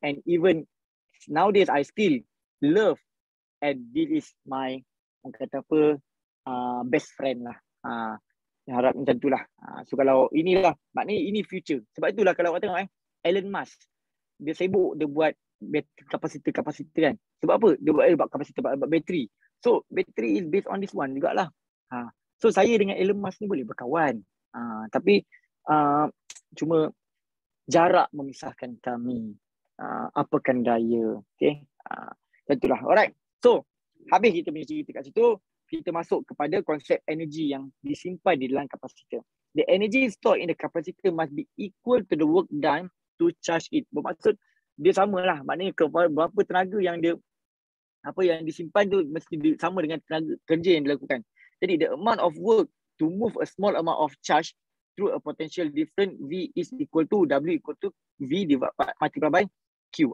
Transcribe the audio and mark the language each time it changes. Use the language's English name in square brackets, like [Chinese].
[English] And even nowadays I still love, and this is my [Malay] kata apa [English] best friend lah. [Malay] Yang harap macam tu lah. So kalau inilah, maknanya ini future. Sebab itulah kalau awak tengok Elon Musk, dia sibuk dia buat kapasitor-kapasitor kan. Sebab apa? Dia buat kapasitor, buat bateri. [English] So, bateri is based on this one [Malay] jugalah. So, saya dengan Elon Musk ni boleh berkawan. Tapi, cuma jarak memisahkan kami. Apakan daya. Okay. Tentulah. Alright. So, habis kita punya cerita kat situ, kita masuk kepada konsep energi yang disimpan di dalam kapasitor. [English] The energy stored in the capacitor must be equal to the work done to charge it. [Malay] Bermaksud, dia samalah. Maknanya berapa tenaga yang dia, apa yang disimpan tu mesti sama dengan tenaga kerja yang dilakukan. Jadi [English] the amount of work to move a small amount of charge through a potential different V is equal to W equal to V multiplied by Q.